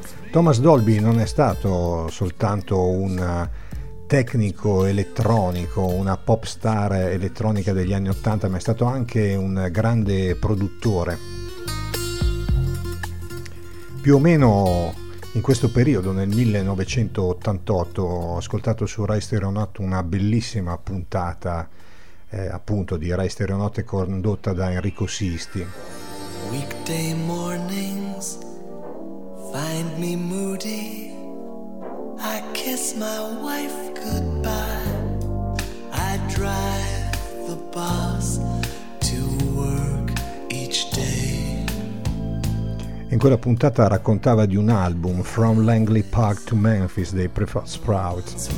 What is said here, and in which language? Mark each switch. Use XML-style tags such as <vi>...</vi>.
<it>Thomas Dolby non è stato soltanto un tecnico elettronico, una pop star elettronica degli anni Ottanta, ma è stato anche un grande produttore. Più o meno in questo periodo, nel 1988, ho ascoltato su Rai Stereo Notte una bellissima puntata, appunto, di Rai Stereo Notte condotta da Enrico Sisti.</it> <en>Weekday mornings find me moody. I kiss my wife goodbye. I drive the bus to work each day.</en> <it>In quella puntata raccontava di un album, From Langley Park to Memphis, dei Prefab Sprout.</it>